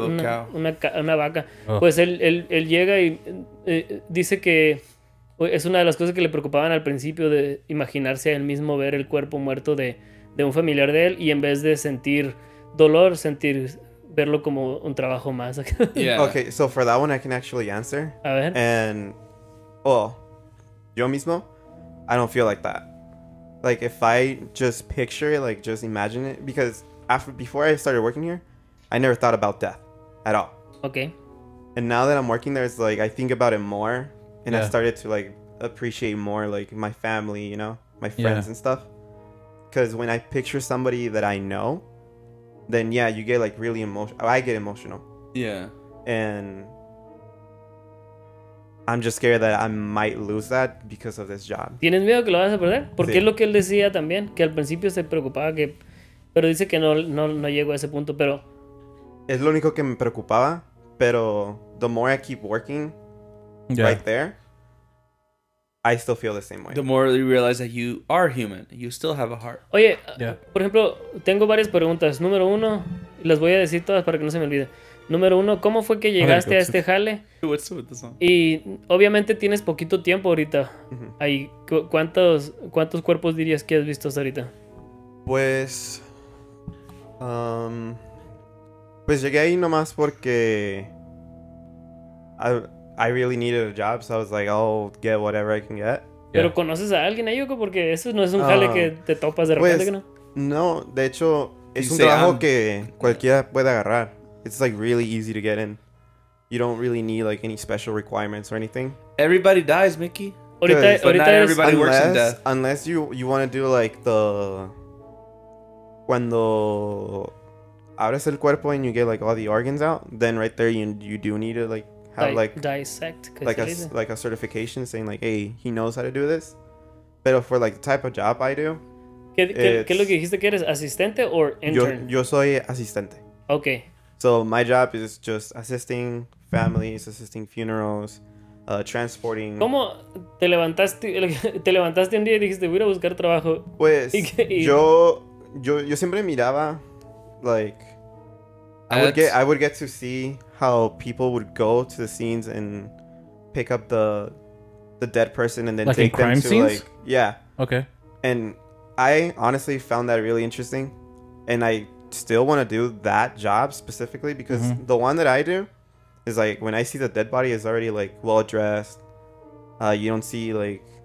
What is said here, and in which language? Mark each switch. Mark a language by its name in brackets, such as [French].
[Spanish] una, [English] of cow. [Spanish] Una vaca. Oh. Pues él llega y dice que es una de las cosas que le preocupaban al principio de imaginarse a él mismo ver el cuerpo muerto de un familiar de él y en vez de sentir dolor, sentir verlo como un trabajo más. [English] Yeah. Okay, so for that one, I can actually answer. [Spanish] A ver. [English] And, oh, [Spanish] yo mismo, [English] I don't feel like that. Like, if I just picture it, like, just imagine it. Because before I started working here, I never thought about death at all. Okay. And now that I'm working there, it's like, I think about it more. And yeah. I started to, like, appreciate more, like, my family, you know, my friends yeah. and stuff. Because when I picture somebody that I know, then, yeah, you get, like, really emotional. I get emotional. Yeah. And I'm just scared that I might lose that because of this job. [Spanish] ¿Tienes miedo que lo vas a perder? Porque sí. es lo que él decía también, que al principio se preocupaba que... Pero dice que no llegó a ese punto, pero... Es lo único que me preocupaba, pero [English] the more I keep working [Spanish] yeah. [English] right there, I still feel the same way. The more you realize that you are human, you still have a heart. [Spanish] Oye, yeah. Por ejemplo, tengo varias preguntas. Número uno, las voy a decir todas para que no se me olvide. Número uno, ¿cómo fue que llegaste a este jale? [English] What's with this one? [Spanish] Y obviamente tienes poquito tiempo ahorita. Mm-hmm. Ahí, ¿cuántos cuerpos dirías que has visto hasta ahorita? Pues... pues llegué ahí nomás porque... [English] I really needed a job, so I was like, I'll get whatever I can get. [Spanish] Yeah. ¿Pero conoces a alguien ahí, Hugo? Porque eso no es un jale que te topas de repente, pues, que no. No, de hecho, es un trabajo que cualquiera puede agarrar. [English] It's like really easy to get in. You don't really need like any special requirements or anything. Everybody dies, Mickey. [Spanish] Ahorita [English] not everybody works in death. Unless you want to do like the... [Spanish] Cuando abres el cuerpo [English] and you get like all the organs out, then right there you do need to like have like... Dissect. Like a certification saying like, hey, he knows how to do this. Pero for like the type of job I do... [Spanish] ¿Qué es lo que dijiste que eres? ¿Asistente or intern? Yo soy asistente. [English] Okay. So my job is just assisting families, assisting funerals, transporting. [Spanish] ¿Cómo te levantaste un día y dijiste voy a buscar trabajo? Pues yo siempre miraba, [English] like I would get to see how people would go to the scenes and pick up the dead person and then like take in crime them to scenes? Like yeah. Okay. And I honestly found that really interesting, and I still want to do that job specifically because mm-hmm. the one that I do is like when I see the dead body is already like well dressed, you don't see like